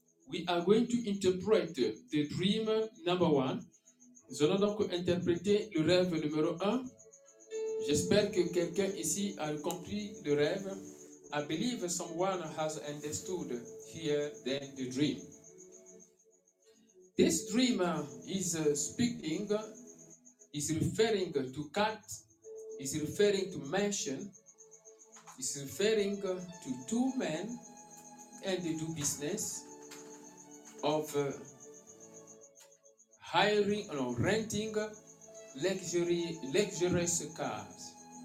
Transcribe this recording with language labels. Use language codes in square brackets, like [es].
[en] We are going to interpret the dream number one. [fr] Nous allons donc interpréter le rêve numéro un. J'espère que quelqu'un ici a compris le rêve. [en] I believe someone has understood here then the dream. This dream is speaking, is referring to cut, is referring to mansion, is referring to two men and they do business of hiring or renting luxurious cars.